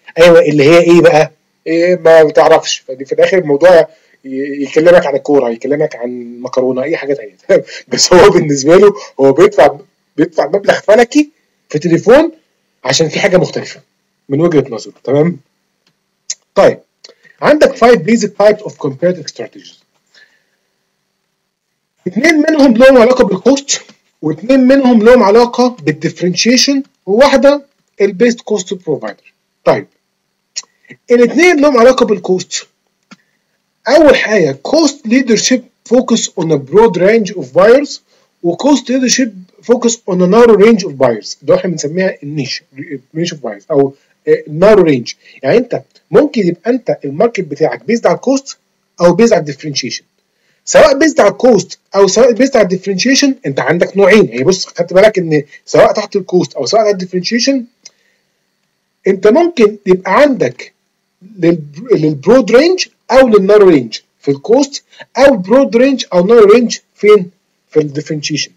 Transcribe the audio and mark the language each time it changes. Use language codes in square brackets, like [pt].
[ar] ايوه اللي هي ايه بقى؟ ايه ما بتعرفش. فدي في الاخر الموضوع يكلمك عن الكوره، يكلمك عن مكرونه، اي حاجه تانيه. بس هو بالنسبه له هو بيدفع مبلغ فلكي في تليفون عشان في حاجه مختلفه من وجهه نظره. تمام. طيب عندك [en] 5 basic types of competitive strategies. [ar] اثنين منهم لهم علاقة بالكوست، واثنين منهم لهم علاقة بالديفرنشيشن، وواحدة البيست كوست بروفايدر. طيب الاثنين لهم علاقة بالكوست. أول حاجة [en] cost leadership focus on a broad range of buyers، وcost leadership focus on a narrow range of buyers. [ar] ده احنا بنسميها النيش range of buyers او narrow range. يعني انت ممكن يبقى انت الماركت بتاعك based على cost او based على differentiation. سواء based على cost او سواء based على differentiation انت عندك نوعين. يعني بص خدت بالك ان سواء تحت cost او سواء تحت differentiation انت ممكن يبقى عندك للبرود رينج او للنارو رينج في الكوست او برود رينج او نارو رينج فين في الديفرنشيشن.